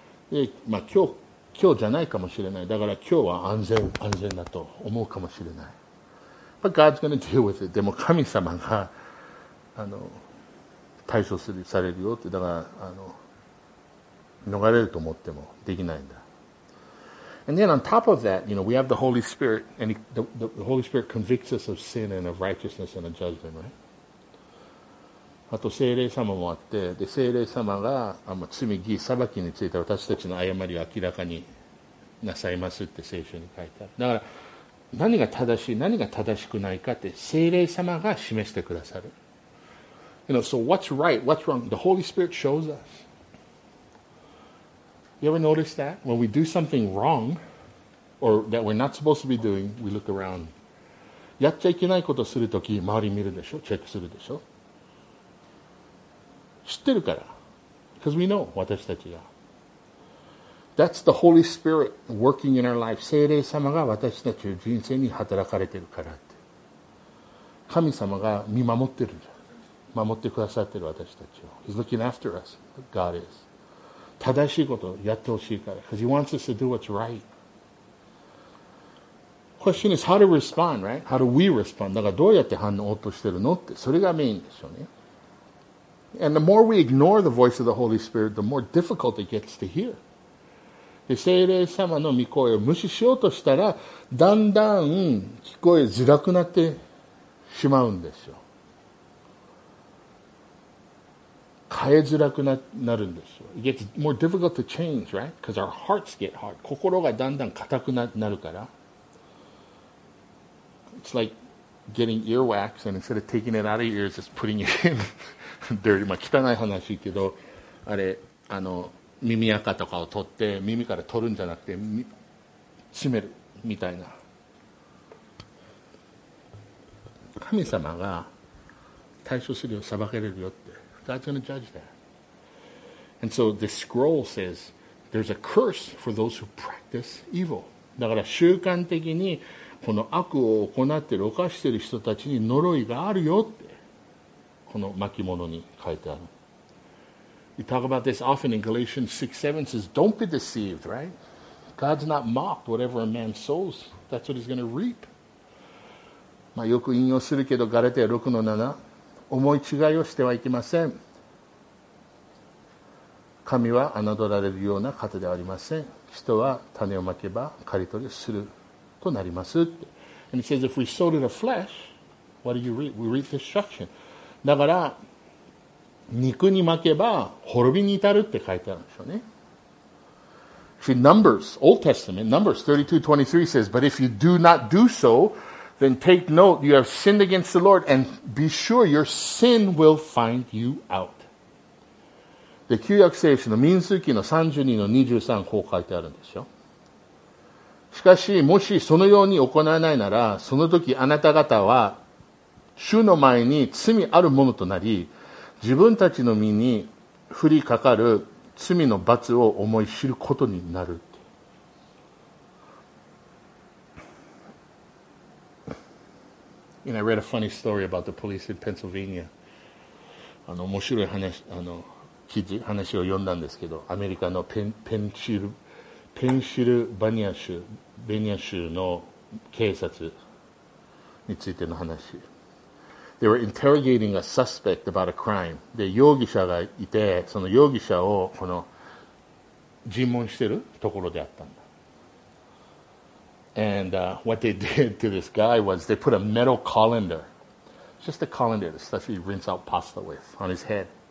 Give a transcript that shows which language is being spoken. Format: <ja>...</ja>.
<ja>で、まあ今日じゃないかもしれない。だから今日は安全だと思うかもしれない。</ja> <en>But God's going to deal with it.</en> <ja>でも神様が、対処する、されるよって。だから、逃れると思ってもできないんだ。</ja> <en>And then on top of that, you know, we have the Holy Spirit, and the Holy Spirit convicts us of sin and of righteousness and of judgment, right?</en> <ja>あと聖霊様もあって、で、聖霊様が、罪、義、裁きについて私たちの誤りを明らかになさいますって聖書に書いてある。だから、何が正しい、何が正しくないかって聖霊様が示してくださる。</ja> <en>You know, so what's right, what's wrong? The Holy Spirit shows us. You ever notice that? When we do something wrong, or that we're not supposed to be doing, we look around.</en> <ja>やっちゃいけないことするとき、周り見るでしょ、チェックするでしょ。知ってるから。</ja> <en>Because we know,</en> <ja>私たちが。</ja> <en>That's the Holy Spirit working in our life.</en> <ja>聖霊様が私たちの人生に働かれてるからって。神様が見守ってるじゃん。守ってくださってる私たちを。</ja> <en>He's looking after us, God is.</en> <ja>正しいことをやってほしいから。</ja> <en>Because He wants us to do what's right. Question is, how to respond, right? How do we respond?</en> <ja>だからどうやって反応としてるのって。それがメインですよね。</ja> <en>And the more we ignore the voice of the Holy Spirit, the more difficult it gets to hear.</en> <ja>で聖霊様の御声を無視しようとしたらだんだん聞こえづらくなってしまうんですよ。変えづらくなるんですよ。</ja> <en>It gets more difficult to change, right? Because our hearts get hard.</en> <ja>心がだんだん硬くなるから。</ja> <en>It's like getting earwax and instead of taking it out of your ears, just putting it in dirty.</en> <ja>まあ汚い話けど、あれ、あの耳垢とかを取って耳から取るんじゃなくて詰めるみたいな。神様が対処するよ、裁かれるよって。</ja> <en>God's going to judge that. And so the scroll says there's a curse for those who practice evil.</en> <ja>だから習慣的にこの悪を行っている犯している人たちに呪いがあるよって、この巻物に書いてある。</ja> <en>We talk about this often in Galatians 6:7 says, don't be deceived, right? God's not mocked, whatever a man sows, that's what he's going to reap.</en> <ja>まあよく引用するけど、ガラテヤ 6:7、思い違いをしてはいけません。神は侮られるような方ではありません。人は種をまけば刈り取りするとなります。</ja> <en>And he says, if we sow to the flesh, what do you reap? We reap destruction.</en> <ja>だから、肉に巻けば滅びに至るって書いてあるんでしょうね。</ja> <en>See, Numbers, Old Testament, Numbers 32:23 says, But if you do not do so, then take note, you have sinned against the Lord, and be sure your sin will find you out.</en> <ja>で、旧約聖書の民数記の 32:23 こう書いてあるんですよ。しかし、もしそのように行わないなら、その時あなた方は、主の前に罪あるものとなり、自分たちの身に降りかかる罪の罰を思い知ることになるって。</ja> <en>And I read a funny story about the police in Pennsylvania.</en> <ja>あの面白い話、あの記事、話を読んだんですけど、アメリカのペンシルバニア州の警察についての話。</ja> <en>They were interrogating a suspect about a crime.</en> <ja>で、容疑者がいて、その容疑者をこの尋問してるところであったんだ。</ja> <en>And what they did to this guy was they put a metal colander, just a colander, the stuff you rinse out pasta with, on his head.</en>